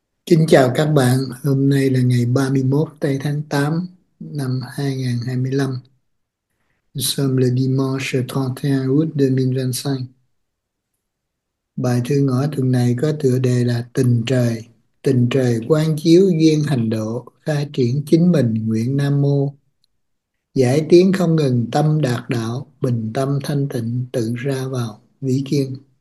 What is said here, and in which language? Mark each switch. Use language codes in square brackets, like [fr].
[vi] Kính chào các bạn, hôm nay là ngày 31 tây tháng 8 năm 2025. [fr] Nous sommes le dimanche 31 août 2025. [vi] Bài thư ngõ tuần này có tựa đề là Tình trời. Tình trời quán chiếu duyên hành độ, khai triển chính mình nguyện Nam mô. Giải tiến không ngừng tâm đạt đạo, bình tâm thanh tịnh tự ra vào, vĩ kiên.